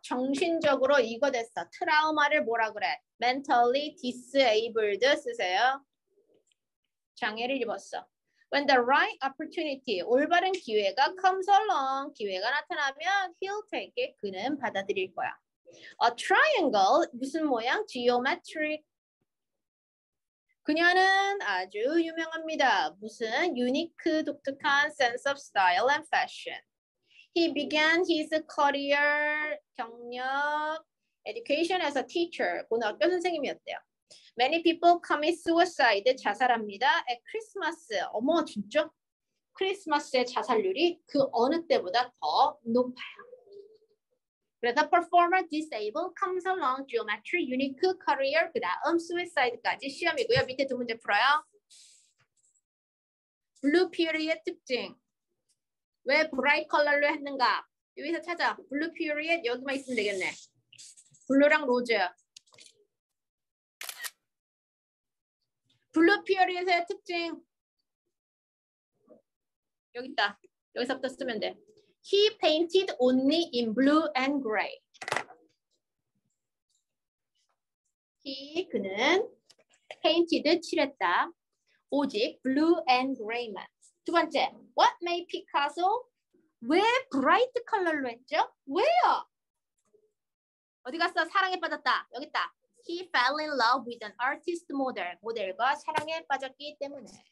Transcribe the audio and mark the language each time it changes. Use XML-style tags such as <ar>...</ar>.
<ko>정신적으로 이거 됐어. 트라우마를 뭐라 그래?</ko> <en>Mentally disabled 쓰세요.</en> <ko>장애를 입었어.</ko> <en>When the right opportunity,</en> <ko>올바른 기회가</ko> <en>comes along,</en> <ko>기회가 나타나면</ko> <en>he'll take it,</en> <ko>그는 받아들일 거야.</ko> <en>A triangle,</en> <ko>무슨 모양?</ko> <en>Geometric.</en> <ko>그녀는 아주 유명합니다. 무슨 유니크 독특한</ko> <en>sense of style and fashion. He began his career 경력 education as a teacher.</en> <ko>고등학교 선생님이었대요.</ko> <en>Many people commit suicide.</en> <ko>자살합니다.</ko> <en>At Christmas.</en> <ko>어머 진짜? 크리스마스의 자살률이 그 어느 때보다 더 높아요.</ko> <en>But the performer disabled comes along geometry unique career</en> <ko>그 다음 suicide까지 시험이고요. 밑에 두 문제 풀어요.</ko> <en>Blue period 특징.</en> <ko>왜 bright color로 했는가? 여기서 찾아. Blue period 여기만 있으면 되겠네. 블루랑 로즈.</ko> <en>Blue period의 특징.</en> <ko>여기 있다. 여기서부터 쓰면 돼.</ko> <en>He painted only in blue and gray. He,</en> <ko>그는</ko> <en>painted</en> <ko>칠했다. 오직</ko> <en>blue and gray만.</en> <ko>두 번째,</ko> <en>what made Picasso?</en> <ko>왜 bright color로 했죠? 왜요? 어디 갔어? 사랑에 빠졌다. 여기 있다.</ko> <en>He fell in love with an artist model.</en> <ko>모델과 사랑에 빠졌기 때문에.</ko>